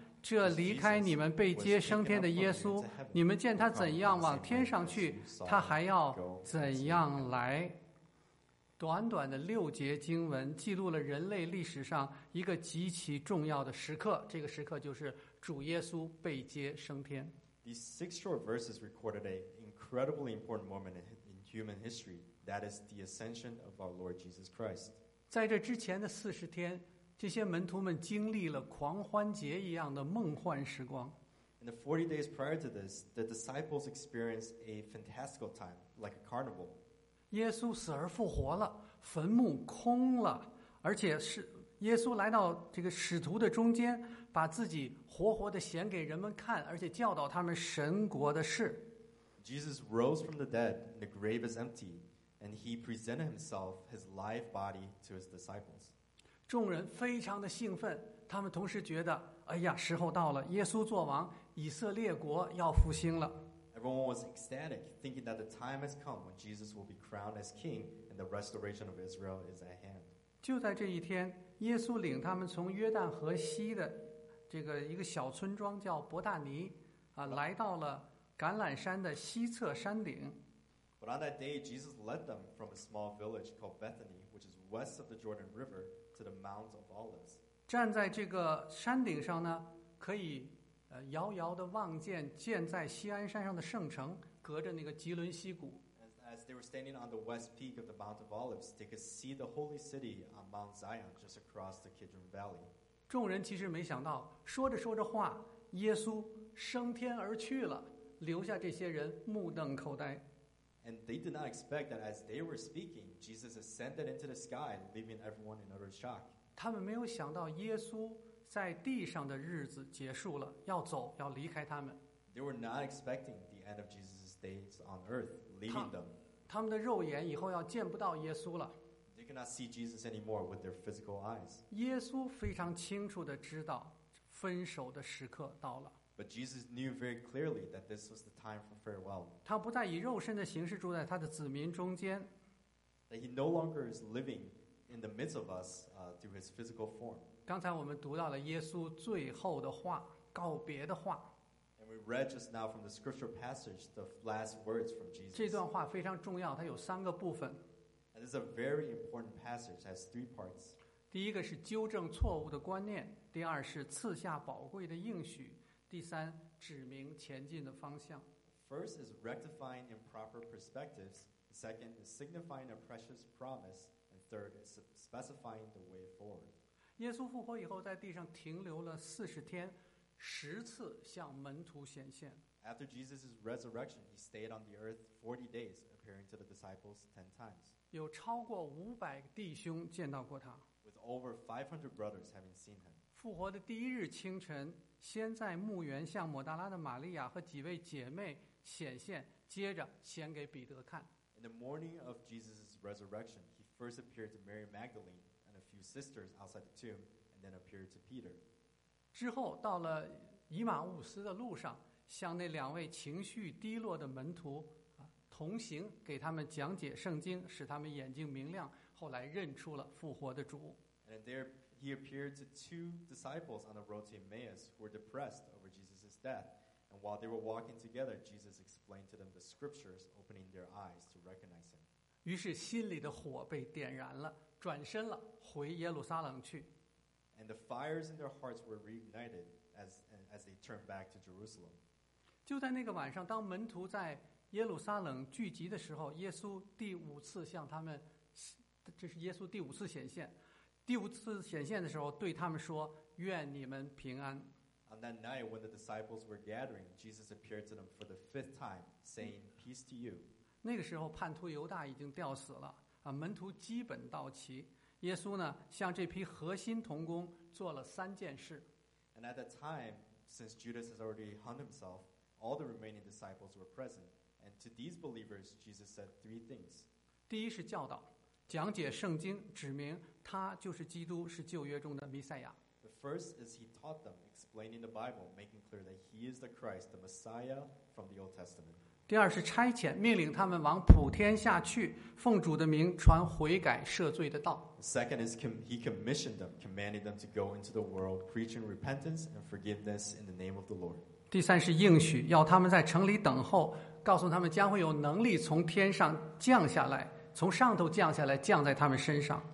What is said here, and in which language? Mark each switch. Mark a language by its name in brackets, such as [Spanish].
[Chinese] 这离开你们被接升天的耶稣，你们见他怎样往天上去，他还要怎样来。短短的六节经文记录了人类历史上一个极其重要的时刻，这个时刻就是主耶稣被接升天。 [English] These six short verses recorded an incredibly important moment in human history, that is the ascension of our Lord Jesus Christ. [Chinese] 在这之前的40天，这些门徒们经历了狂欢节一样的梦幻时光。 [English] In the 40 days prior to this, the disciples experienced a fantastical time, like a carnival. [Chinese] 耶稣死而复活了，坟墓空了，而且是耶稣来到这个使徒的中间，把自己活活的显给人们看，而且教导他们神国的事。 [English] Jesus rose from the dead, and the grave is empty, and he presented himself, his live body, to his disciples. [Chinese] 众人非常的兴奋，他们同时觉得，哎呀，时候到了，耶稣作王，以色列国要复兴了。 [English] Everyone was ecstatic, thinking that the time has come when Jesus will be crowned as king, and the restoration of Israel is at hand. [Chinese] 就在这一天，耶稣领他们从约旦河西的这个一个小村庄叫伯大尼，啊，来到了橄榄山的西侧山顶。 [English] But on that day, Jesus led them from a small village called Bethany, which is west of the Jordan River, to the Mount of Olives. [Chinese] 站在这个山顶上呢，可以遥遥地望见建在锡安山上的圣城，隔着那个吉伦溪谷。 [English] As they were standing on the west peak of the Mount of Olives, they could see the holy city on Mount Zion, just across the Kidron Valley. [Chinese] 众人其实没想到，说着说着话，耶稣升天而去了。留下这些人目瞪口呆。 [English] And they did not expect that as they were speaking, Jesus ascended into the sky, leaving everyone in utter shock. [Chinese] 他们没有想到耶稣在地上的日子结束了，要走，要离开他们。 [English] They were not expecting the end of Jesus' days on earth, leaving them. [Chinese] 他们的肉眼以后要见不到耶稣了。 [English] They cannot see Jesus anymore with their physical eyes. [Chinese] 耶稣非常清楚地知道分手的时刻到了。 [English] But Jesus knew very clearly that this was the time for farewell. [Chinese] 他不再以肉身的形式住在他的子民中间。 [English] That he no longer is living in the midst of us through his physical form. [Chinese] 刚才我们读到了耶稣最后的话，告别的话。 [English] And we read just now from the scripture passage the last words from Jesus. [Chinese] 这段话非常重要，它有三个部分。 [English] And this is a very important passage, has three parts. [Chinese] 第一个是纠正错误的观念，第二是赐下宝贵的应许。第三，指明前进的方向。 [English] First is rectifying improper perspectives. Second is signifying a precious promise. And third is specifying the way forward. [Chinese] 耶稣复活以后，在地上停留了40天，10次向门徒显现。 [English] After Jesus' resurrection, he stayed on the earth 40 days, appearing to the disciples 10 times. [Chinese] 有超过500弟兄见到过他。 [English] With over 500 brothers having seen him. [Chinese] 复活的第一日清晨。先在墓园向抹大拉的玛利亚和几位姐妹显现，接着显给彼得看。 [English] In the morning of Jesus' resurrection, he first appeared to Mary Magdalene and a few sisters outside the tomb, and then appeared to Peter. [Chinese] 之后到了以马忤斯的路上，向那两位情绪低落的门徒同行，给他们讲解圣经，使他们眼睛明亮，后来认出了复活的主。 [English] He appeared to 2 disciples on the road to Emmaus who were depressed over Jesus' death. And while they were walking together, Jesus explained to them the scriptures, opening their eyes to recognize him. [Chinese] 于是心里的火被点燃了，转身了，回耶路撒冷去。 [English] And the fires in their hearts were reignited as they turned back to Jerusalem. [Chinese] 就在那个晚上，当门徒在耶路撒冷聚集的时候，耶稣第五次向他们，这是耶稣第五次显现。第五次显现的时候，对他们说：“愿你们平安。” [English] On that night, when the disciples were gathering, Jesus appeared to them for the 5th time, saying, "Peace to you." [Chinese] 那个时候，叛徒犹大已经吊死了，门徒基本到齐。耶稣呢，向这批核心同工做了3件事。 [English] And at that time, since Judas has already hung himself, all the remaining disciples were present. And to these believers, Jesus said 3 things. [Chinese] 第一是教导。讲解圣经，指明他就是基督，是旧约中的弥赛亚。 [English] The first is he taught them, explaining the Bible, making clear that he is the Christ, the Messiah from the Old Testament. [Chinese] 第二是差遣，命令他们往普天下去，奉主的名传悔改赦罪的道。 [English] The second is he commissioned them, commanding them to go into the world, preaching repentance and forgiveness in the name of the Lord. [Chinese] 第三是应许，要他们在城里等候，告诉他们将会有能力从天上降下来。从上头降下来，降在他们身上。